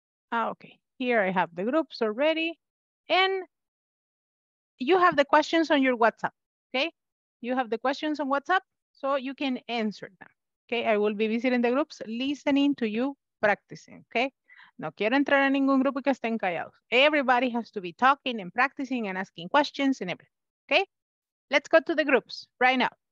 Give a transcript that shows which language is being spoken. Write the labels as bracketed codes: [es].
[en] Ah, okay, here I have the groups already. And you have the questions on your WhatsApp, okay? You have the questions on WhatsApp, so you can answer them, okay? I will be visiting the groups, listening to you, practicing, okay? [es] No quiero entrar a ningún grupo que estén callados. [en] Everybody has to be talking and practicing and asking questions and everything, okay? Let's go to the groups right now.